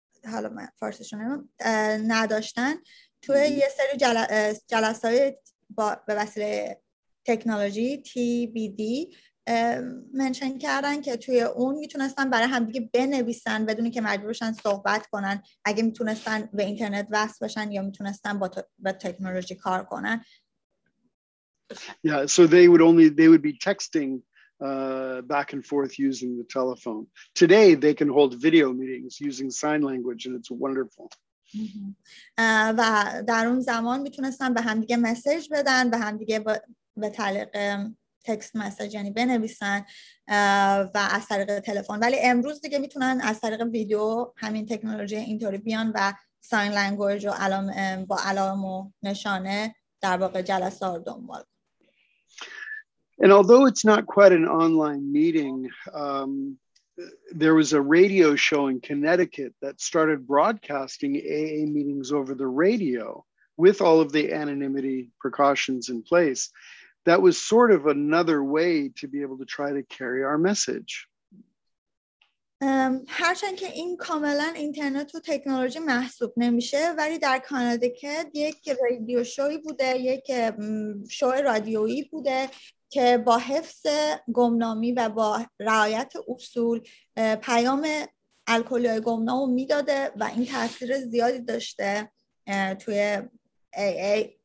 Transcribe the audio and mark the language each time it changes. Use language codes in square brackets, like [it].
[fa] حالا من فارسیشون نداشتن توی یه سری جلسات به وسیله تکنولوژی TBD منشن کردن که توی اون میتونستن برای همدیگه بنویسن بدون اینکه مجبور بشن صحبت کنن، اگه میتونستن به اینترنت وصل بشن یا میتونستن با تکنولوژی کار کنن. [en] Yeah, so they would be texting back and forth using the telephone. Today they can hold video meetings using sign language and it's wonderful. [fa] و در اون زمان میتونستن به همدیگه مسیج بدن، به همدیگه به طریق تکست مسیج یعنی بنویسن و از طریق تلفن، ولی امروز دیگه میتونن از طریق ویدیو همین تکنولوژی اینطوری بیان و ساین لنگویج و علام و نشانه در واقع جلسه رو دنبال. [en] And although it's not quite an online meeting, there was a radio show in Connecticut that started broadcasting AA meetings over the radio with all of the anonymity precautions in place. That was sort of another way to be able to try to carry our message. [fa] هرچند که این کاملا اینترنت و تکنولوژی محسوب نمیشه، ولی در کانادیکت یک رادیو شوی بوده، یک شو رادیویی بوده که با حفظ گمنامی و با رعایت اصول پیام الکلی های گمنام رو میداده و این تاثیر زیادی داشته توی AA.